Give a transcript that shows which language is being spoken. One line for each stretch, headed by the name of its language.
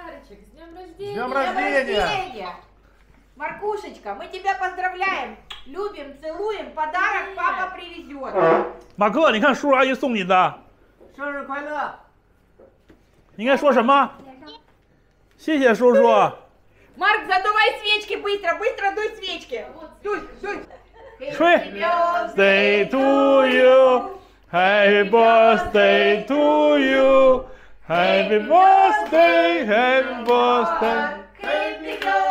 Russian: Марочек, с днем рождения! Маркушечка, мы тебя поздравляем, любим, целуем, подарок папа привезет.
Chinese: 马克，你看叔叔阿姨送你的。生日快乐。应该说什么？谢谢叔叔。
Russian: Марк, задувай свечки быстро, быстро дуй свечки. Дуй, дуй.
Chinese: 吹。
English: Happy birthday to you, Happy birthday to you, Happy birthday, Happy birthday.